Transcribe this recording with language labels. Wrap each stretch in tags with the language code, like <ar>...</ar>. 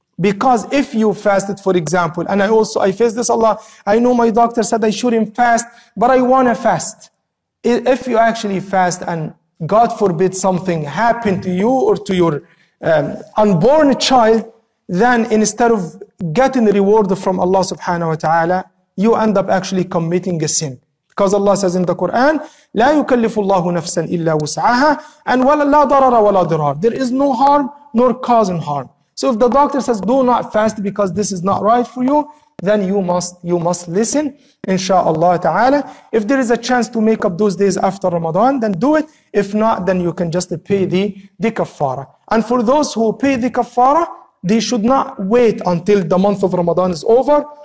<en>Because if you fasted, for example, and I face this, Allah, I know my doctor said I shouldn't fast, but I want to fast. If you actually fast and God forbid something happened to you or to your unborn child, then instead of getting the reward from Allah subhanahu wa ta'ala, you end up actually committing a sin. Because Allah says in the Quran,</en> <ar>لا يكلف الله نفسا إلا وسعها and ولا لا ضرر ولا ضرار.</ar> <en>There is no harm nor causing harm. So if the doctor says do not fast because this is not right for you, then you must listen, inshallah ta'ala. If there is a chance to make up those days after Ramadan, then do it. If not, then you can just pay the kafara. And for those who pay the kafara, they should not wait until the month of Ramadan is over.</en>